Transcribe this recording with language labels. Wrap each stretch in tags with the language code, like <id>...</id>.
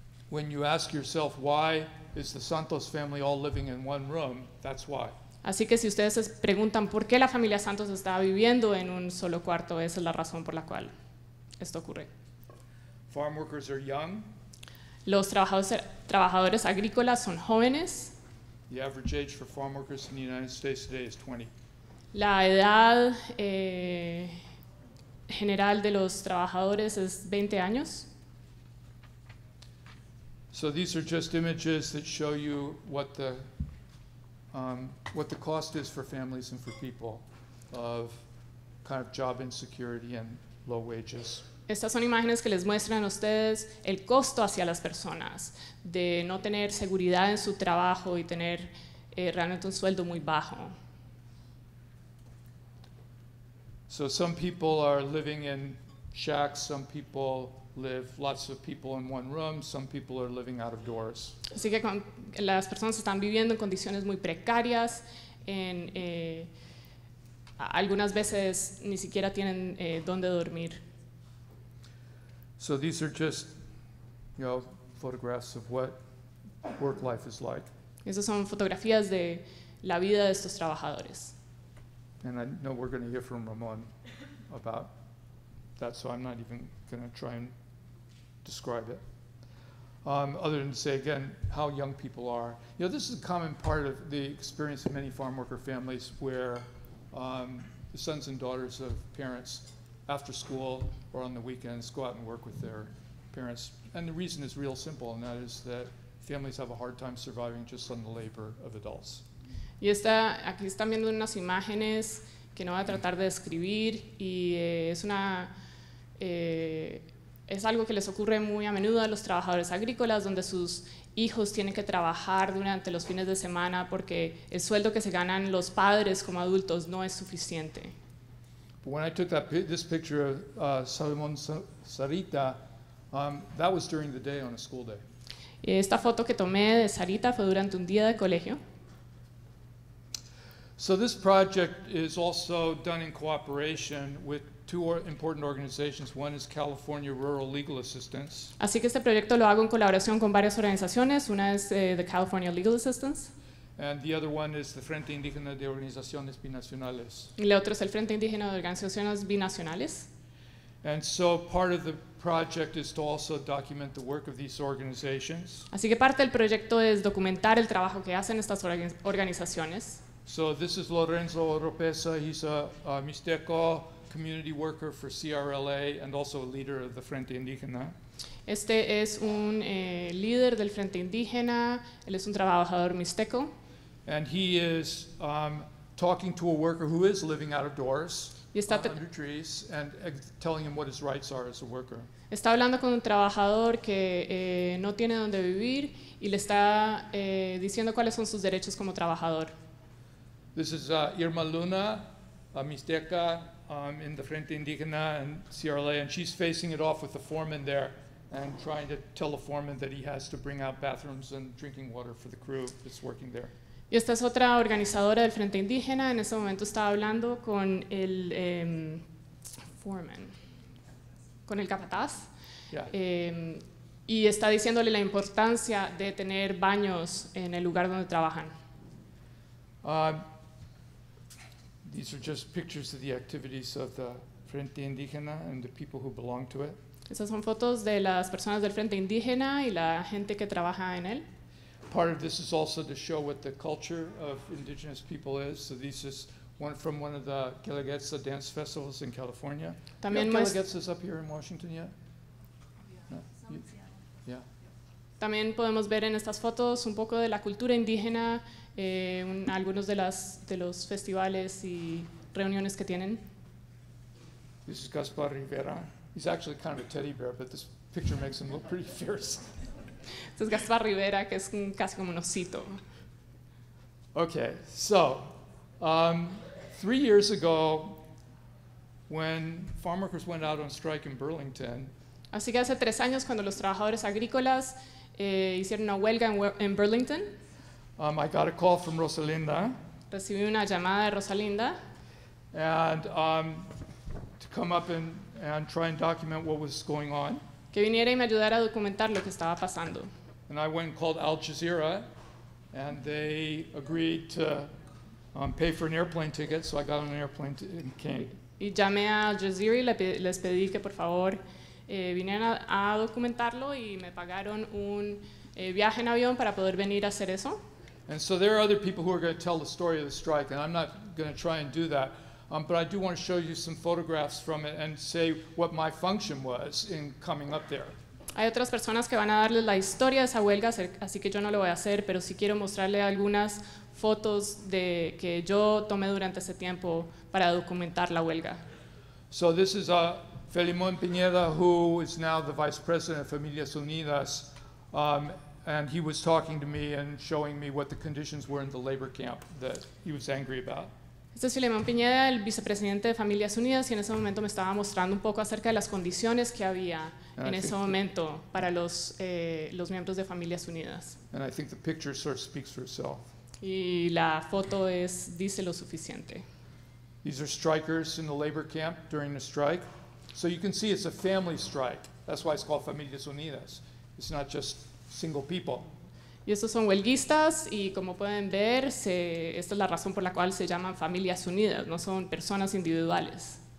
<en>When you ask yourself why is the Santos family all living in one room, that's why.</en> <es>Así que si ustedes se preguntan por qué la familia Santos estaba viviendo en un solo cuarto, esa es la razón por la cual esto ocurre.</es> <en>Farm workers are young.</en> <es>Los trabajadores agrícolas son jóvenes.</es> <en>The average age for farm workers in the United States today is 20.</en> <es>La edad general de los trabajadores es 20 años.</es> <en>So these are just images that show you what the cost is for families and for people of kind of job insecurity and low wages.</en> <es>Estas son imágenes que les muestran a ustedes el costo hacia las personas de no tener seguridad en su trabajo y tener realmente un sueldo muy bajo.</es> <en>So some people are living in shacks, some people live lots of people in one room, some people are living out of doors.</en> <es>Así que las personas están viviendo en condiciones muy precarias, en algunas veces ni siquiera tienen dónde dormir.</es> <en>So these are just, you know, photographs of what work life is like.</en> <es>Esas son fotografías de la vida de estos trabajadores.</es> <en>And I know we're going to hear from Ramón about that, so I'm not even going to try and describe it. Other than to say again how young people are. You know, this is a common part of the experience of many farm worker families where the sons and daughters of parents after school or on the weekends go out and work with their parents. And the reason is real simple, and that is that families have a hard time surviving just on the labor of adults.</en> <es>Y está, aquí están viendo unas imágenes que no voy a tratar de describir, y es una, es algo que les ocurre muy a menudo a los trabajadores agrícolas, donde sus hijos tienen que trabajar durante los fines de semana porque el sueldo que se ganan los padres como adultos no es suficiente.</es> <en>When I took that this picture of Salomón Sarita, that was during the day on a school day.</en> <es>Y esta foto que tomé de Sarita fue durante un día de colegio.</es> <en>So this project is also done in cooperation with two important organizations. One is California Rural Legal Assistance.</en> <es>Así que este proyecto lo hago en colaboración con varias organizaciones. Una es the California Legal Assistance.</es> <en>And the other one is the Frente Indígena de Organizaciones Binacionales.</en> <es>Y la otra es el Frente Indígena de Organizaciones Binacionales.</es> <en>And so part of the project is to also document the work of these organizations.</en> <es>Así que parte del proyecto es documentar el trabajo que hacen estas organizaciones.</es> <en>So this is Lorenzo Oropesa. He's a Mixteco community worker for CRLA and also a leader of the Frente Indígena.</en> <es>Este es un líder del Frente Indígena. Él es un trabajador mixteco.</es> <en>And he is talking to a worker who is living out of doors.</en> <es>Y está</es> <en>under trees and telling him what his rights are as a worker.</en> <es>Está hablando con un trabajador que no tiene donde vivir y le está diciendo cuáles son sus derechos como trabajador.</es> <en>This is Irma Luna, a Mixteca, in the Frente Indígena and CRLA, and she's facing it off with the foreman there and trying to tell the foreman that he has to bring out bathrooms and drinking water for the crew that's working there.</en> <es>Y esta es otra organizadora del Frente Indígena. En ese momento estaba hablando con el foreman, con el capataz.</es> <en>Yeah.</en> <es>Y está diciéndole la importancia de tener baños en el lugar donde trabajan.</es> <en>These are just pictures of the activities of the Frente Indígena and the people who belong to it.</en> <es>Esas son fotos de las personas del Frente Indígena y la gente que trabaja en él.</es> <en>Part of this is also to show what the culture of indigenous people is. So this is one from one of the Quelaguetza dance festivals in California.</en> <es>También</es> <en>Quelaguetza's up here in Washington yet? Yeah.</en> <es>También podemos ver en estas fotos un poco de la cultura indígena, algunos de las de los festivales y reuniones que tienen.</es> <en>This is Gaspar Rivera. He's actually kind of a teddy bear, but this picture makes him look pretty fierce.</en> <es>Es Gaspar Rivera, que es casi como un osito.</es> <en>Okay, so 3 years ago, when Farmworkers went out on strike in Burlington.</en> <es>Así que hace 3 años cuando los trabajadores agrícolas hicieron una huelga en Burlington.</es> <en>I got a call from Rosalinda.</en> <es>Recibí una llamada de Rosalinda.</es> <en>And to come up and try and document what was going on.</en> <es>Que viniera y me ayudara a documentar lo que estaba pasando.</es> <en>And I went and called Al Jazeera, and they agreed to pay for an airplane ticket, so I got on an airplane and came.</en> <es>Y llamé a Al Jazeera y les pedí que por favor vinieran a documentarlo y me pagaron un viaje en avión para poder venir a hacer eso.</es> <en>And so there are other people who are going to tell the story of the strike, and I'm not going to try and do that. But I do want to show you some photographs from it and say what my function was in coming up there.</en> <es>Hay otras personas que van a darles la historia de esa huelga, así que yo no lo voy a hacer, pero sí quiero mostrarle algunas fotos de que yo tomé durante ese tiempo para documentar la huelga.</es> <en>So this is Felimón Piñeda, who is now the vice president of Familias Unidas. And he was talking to me and showing me what the conditions were in the labor camp that he was angry about.</en> <es>Este es Filemón Piñeda, el vicepresidente de Familias Unidas, y en ese momento me estaba mostrando un poco acerca de las condiciones que había en ese momento para los miembros de Familias Unidas.</es> <en>And I think the picture sort of speaks for itself.</en> <es>Y la foto es, dice lo suficiente.</es> <en>These are strikers in the labor camp during the strike. So you can see it's a family strike. That's why it's called Familias Unidas. It's not just single people.</en> <es>Y estos son huelguistas, y como pueden ver, esta es la razón por la cual se llaman Familias Unidas, no son personas individuales.</es>